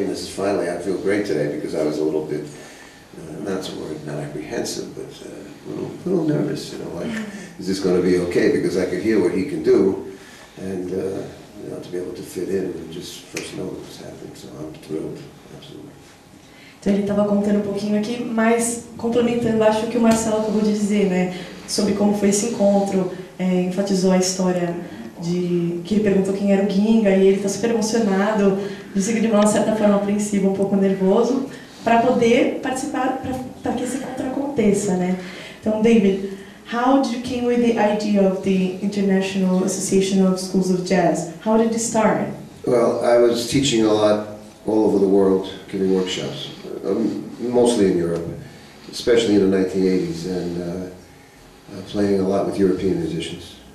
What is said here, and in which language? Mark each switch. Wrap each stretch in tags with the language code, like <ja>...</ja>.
<en>And this is finally, I feel great today because I was a little bit, not so worried, not apprehensive, but a little nervous, you know, like, is this going to be okay? Because I could hear what he can do. And, you know, to be able to fit in and just first know what was happening. So I'm thrilled, absolutely.</en> <pt>Então ele estava contando um pouquinho aqui, mas complementando, acho que o Marcelo acabou de dizer, né, sobre como foi esse encontro, enfatizou a história de que ele perguntou quem era o Ginga e ele está super emocionado, disse que de uma certa forma apreensivo, um pouco nervoso, para poder participar, para que esse encontro aconteça, né?</pt> <en>Então, David, how did you came with the idea of the International Association of Schools of Jazz? How did it start? Well, I was teaching a lot all over the world, giving workshops, mostly in Europe, especially in the 1980s, and playing a lot with European musicians.</en>